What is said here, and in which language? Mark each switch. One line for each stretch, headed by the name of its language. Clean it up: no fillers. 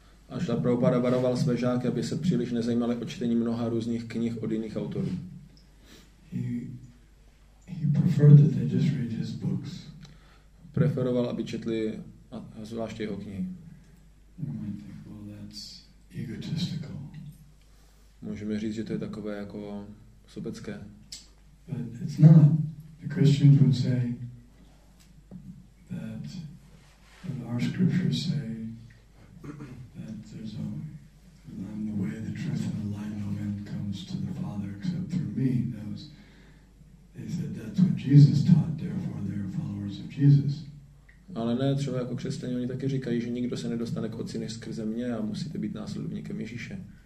Czech: A Šrila Prabhupada varoval své žáky, aby se příliš nezajímali o čtení mnoha různých knih od jiných autorů.
English: He preferred that they just read his books.
Czech: Preferoval, aby četli zvláště jeho knihy.
English: Well, that's egotistical.
Czech: Můžeme říct, že to je takové jako sobecké.
English: But it's not. The Christians would say that our scriptures say that there's only I'm the way, the truth, and the life. No man comes to the Father except through me. That was, they said that's what Jesus taught, therefore they are followers of Jesus.
Czech: Ale ne, třeba jako křesťané, oni taky říkají, že nikdo se nedostane k Otci než skrze mě a musíte být následovníkem Ježíše.